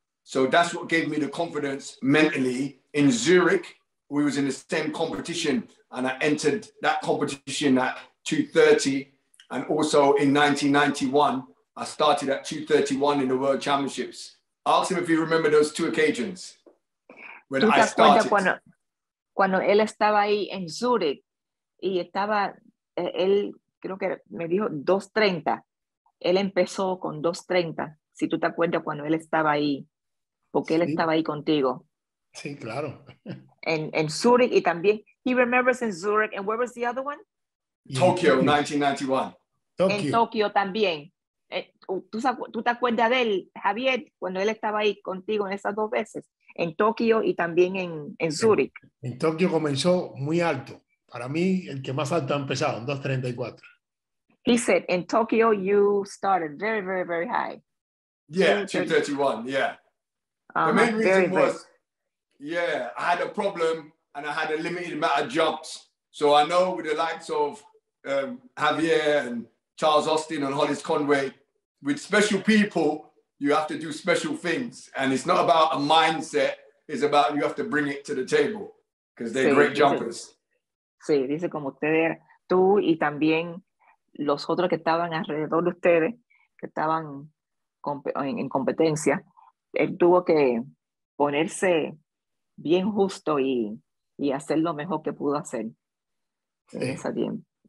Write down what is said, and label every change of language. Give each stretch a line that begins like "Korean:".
English: So that's what gave me the confidence mentally. In Zurich, we was in the same competition and I entered that competition at 2.30. And also in 1991, I started at 2.31 in the World Championships. Ask him if he remembers those two occasions. when I started.
Spanish: Cuando él estaba ahí en Zurich y estaba, él creo que me dijo 2:30. Él empezó con 2:30, si tú te acuerdas cuando él estaba ahí, porque sí. Él estaba ahí contigo. Sí, claro. En Zurich y también,
English: he remembers in Zurich. And where was the other one? Tokyo, 1991.
Spanish: Tokyo. En Tokyo también. ¿Tú te acuerdas de él, Javier, cuando él estaba ahí contigo en esas dos veces? En Tokio y también en Zurich. En Tokio comenzó muy alto. Para mí, el que más alto ha empezado, en 2:34.
English: He said, in Tokyo, you started very, very, very high. Yeah, 2:31, yeah. The main reason I had a problem and I had a limited amount of jumps. So I know with the likes of Javier and Charles Austin and Hollis Conway, with special people, you have to do special things. And it's not about a mindset, it's about you have to bring it to the table because they're great jumpers.
Spanish: Sí, dice como ustedes, tú y también los otros que estaban alrededor de ustedes, que estaban en competencia, él tuvo que ponerse bien justo y hacer lo mejor que pudo hacer en ese tiempo.